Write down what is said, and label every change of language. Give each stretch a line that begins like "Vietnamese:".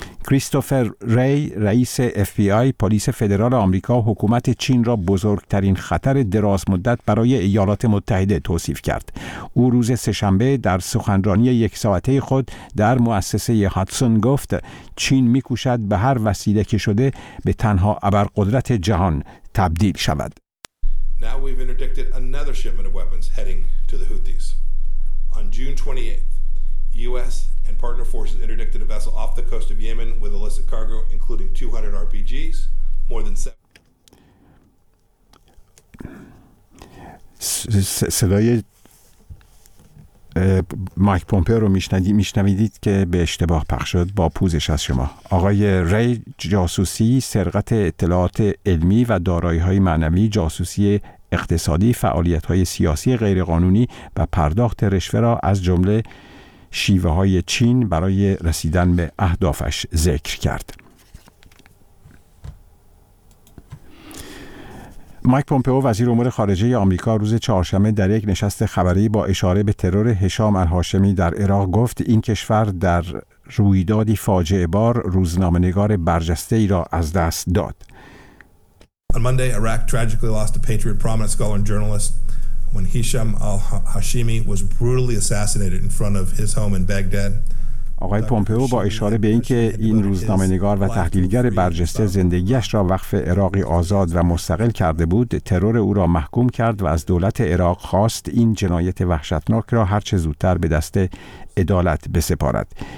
Persian: کریستوفر ری رئیس FBI پلیس فدرال آمریکا حکومت چین را بزرگترین خطر دراز مدت برای ایالات متحده توصیف کرد. او روز سه‌شنبه در سخنرانی یک ساعته خود در مؤسسه هاتسون گفت چین می‌کوشد به هر وسیله که شده به تنها ابرقدرت جهان تبدیل شود.
English: Now we've interdicted another shipment of weapons heading to the Houthis. On June 28th, US and partner forces interdicted a vessel off the coast of Yemen with illicit cargo including 200 RPGs, more than 7
Persian: صدای مایک پومپئو رو میشنوید که به اشتباه پخش شد. با پوزش از شما. آقای ری جاسوسی، سرقت اطلاعات علمی و دارایی‌های معنوی، جاسوسی اقتصادی، فعالیت‌های سیاسی غیرقانونی و پرداخت رشوه را از جمله شیوه‌های چین برای رسیدن به اهدافش ذکر کرد. مایک پومپئو وزیر امور خارجه آمریکا روز چهارشنبه در یک نشست خبری با اشاره به ترور هشام الهاشمی در عراق گفت این کشور در رویدادی فاجعه بار روزنامه‌نگار برجسته‌ای را از دست داد.
English: On Monday, Iraq tragically lost a patriot, prominent scholar and journalist when Hisham al-Hashimi was brutally assassinated in front of his home in Baghdad.
Persian: آقای پومپئو با اشاره به اینکه این روزنامه‌نگار و تحلیلگر برجسته زندگیش را وقف عراقی آزاد و مستقل کرده بود، ترور او را محکوم کرد و از دولت عراق خواست این جنایت وحشتناک را هر چه زودتر به دست عدالت بسپارد.